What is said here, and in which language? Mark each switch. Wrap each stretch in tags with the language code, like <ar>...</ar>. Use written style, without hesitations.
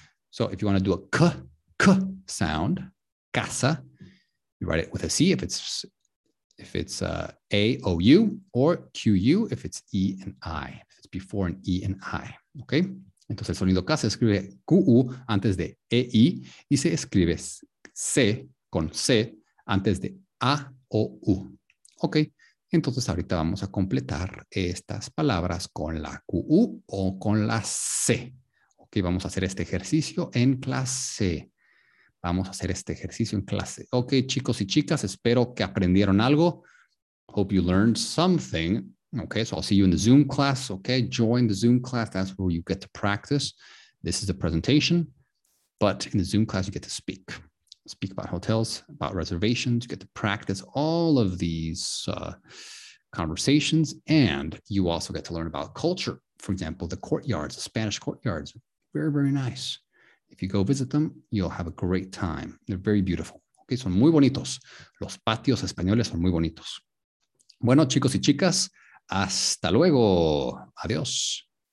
<en>So if you want to do a K, K sound, casa, you write it with a C if it's A, O, U, or Q, U, if it's E and I, if it's before an E and I, ok?</en> <es>Entonces, el sonido K se escribe Q-U antes de E-I y se escribe C con C antes de A-O-U. Ok, entonces ahorita vamos a completar estas palabras con la Q-U o con la C. Ok, vamos a hacer este ejercicio en clase. Vamos a hacer este ejercicio en clase. Ok, chicos y chicas, espero que aprendieron algo.</es> <en>Hope you learned something. Okay, so I'll see you in the Zoom class. Okay, join the Zoom class. That's where you get to practice. This is the presentation. But in the Zoom class, you get to speak about hotels, about reservations. You get to practice all of these conversations. And you also get to learn about culture. For example, the courtyards, the Spanish courtyards, very, very nice. If you go visit them, you'll have a great time. They're very beautiful. Okay,</en> <es>son muy bonitos. Los patios españoles son muy bonitos. Bueno, chicos y chicas. Hasta luego. Adiós.</es>